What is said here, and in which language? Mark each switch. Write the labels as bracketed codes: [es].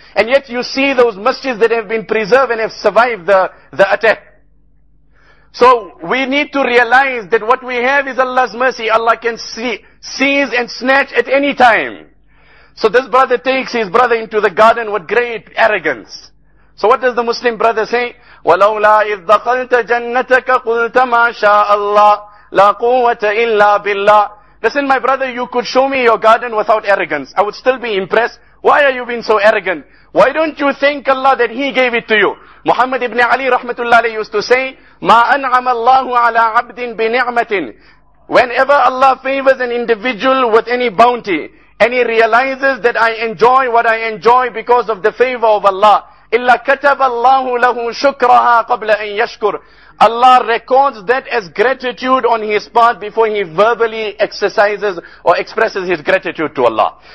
[en] And yet you see those masjids that have been preserved and have survived the attack. So we need to realize that what we have is Allah's mercy. Allah can seize and snatch at any time. So this brother takes his brother into the garden with great arrogance. So what does the Muslim brother say? [ar] وَلَوْلَا إِذْ دَخَلْتَ جَنَّتَكَ قُلْتَ مَا شَاءَ اللَّهِ لَا قُوَّةَ إِلَّا بِاللَّهِ [en] Listen, my brother, you could show me your garden without arrogance. I would still be impressed. Why are you being so arrogant? Why don't you thank Allah that He gave it to you? Muhammad ibn Ali rahmatullah alayhi used to say, [ar] مَا أَنْعَمَ اللَّهُ عَلَىٰ عَبْدٍ بِنِعْمَةٍ [en] Whenever Allah favors an individual with any bounty, and he realizes that I enjoy what I enjoy because of the favor of Allah, [ar] إِلَّا كَتَبَ اللَّهُ لَهُ شُكْرَهَا قَبْلَ أَن يَشْكُرُ [en] Allah records that as gratitude on his part before he verbally exercises or expresses his gratitude to Allah.